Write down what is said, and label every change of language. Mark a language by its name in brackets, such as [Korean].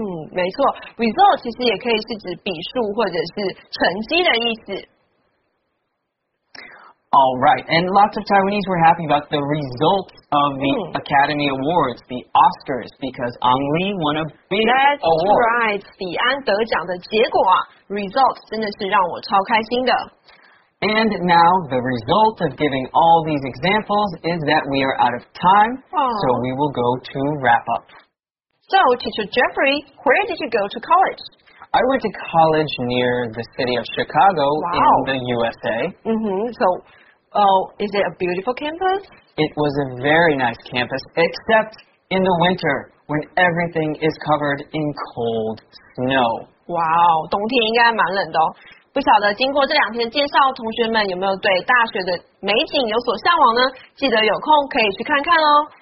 [Chinese] 没错 ，result 其实也可以是指比数或者是成绩的意思。 [English] All right, and lots of Taiwanese were happy about the results of the Academy Awards, the Oscars, because Ang Lee won a big That's award. That's right, [Chinese] 李安得奖的结果啊 ，results 真的是让我超开心的。 [English] And now, the result of giving all these examples is that we are out of time, so we will go to wrap up. So, Teacher Jeffrey, where did you go to college? I went to college near the city of Chicago in the USA. So, is it a beautiful campus? It was a very nice campus, except in the winter when everything is covered in cold snow. [Chinese] Wow, 冬天应该蛮冷的哦。不晓得经过这两天介绍，同学们有没有对大学的美景有所向往呢？记得有空可以去看看哦。